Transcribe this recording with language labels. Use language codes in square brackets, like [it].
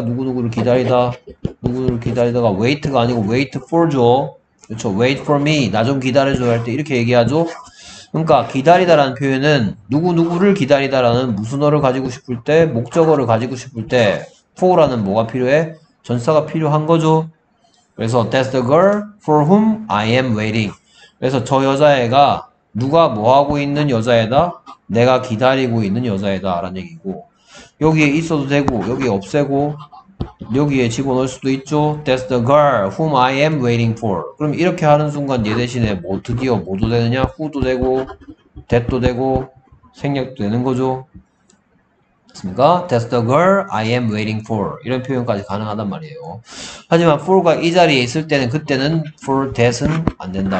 [ko] 누구누구를 기다리다. 누구를 기다리다가 wait가 아니고 wait for죠. 그렇죠. [en] wait for me. [ko] 나좀 기다려줘 할때 이렇게 얘기하죠. 그러니까 기다리다라는 표현은 누구누구를 기다리다라는 무슨 어를 가지고 싶을 때 목적어를 가지고 싶을 때 for라는 뭐가 필요해? 전사가 필요한 거죠. 그래서 [en] that's the girl for whom I am waiting. [ko] 그래서 저 여자애가 누가 뭐 하고 있는 여자애다? 내가 기다리고 있는 여자애다라는 얘기고 여기에 있어도 되고 여기에 없애고 여기에 집어넣을 수도 있죠. [en] That's the girl whom I am waiting for. [ko] 그럼 이렇게 하는 순간 얘 대신에 뭐 드디어 뭐도 되느냐? Who도 되고 that도 되고 생략도 되는 거죠. 맞습니까? [en] That's the girl I am waiting for. [ko] 이런 표현까지 가능하단 말이에요. 하지만 for가 이 자리에 있을 때는 그때는 for that은 안 된다.